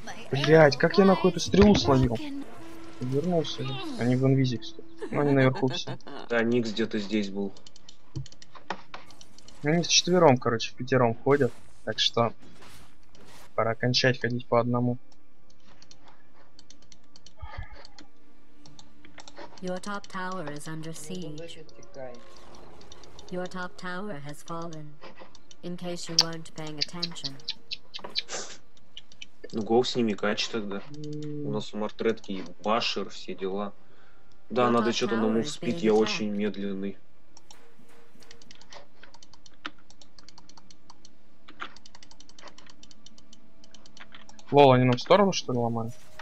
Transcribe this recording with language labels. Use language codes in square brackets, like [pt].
[ru] Блять, как я нахуй эту стрелу сломил? Вернулся. Они в инвизе, кстати. Они наверху все. Да, Никс где-то здесь был. Они с четвером, короче, в пятером ходят. Так что пора кончать ходить по одному. [en] Your top tower is under siege. Your top tower has fallen. In case you weren't paying attention. [ru] Ну гоу с ними кач тогда. У нас у мартретки и башер, все дела. Да, your надо что-то на мув спид, я очень медленный. Лол, они нам в сторону что ли ломают?